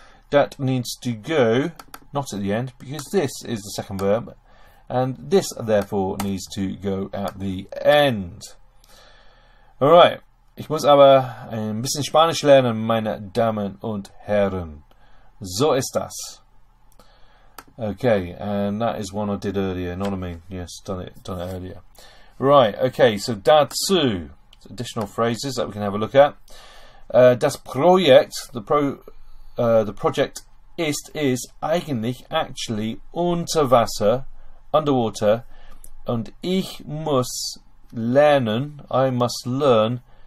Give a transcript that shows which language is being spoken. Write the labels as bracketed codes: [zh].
[en] That needs to go, not at the end, because this is the second verb. And this, therefore, needs to go at the end. All right. [de] Ich muss aber ein bisschen Spanisch lernen, meine Damen und Herren. So ist das. [en] Okay, and that is one I did earlier. You know what I mean? Yes, done it earlier. Right, okay, so dazu. Additional phrases that we can have a look at. [de] Das Projekt, [en] the project is [de] eigentlich, [en] actually, [de] unter Wasser, [en] underwater, [de] und ich muss lernen, [en] I must learn.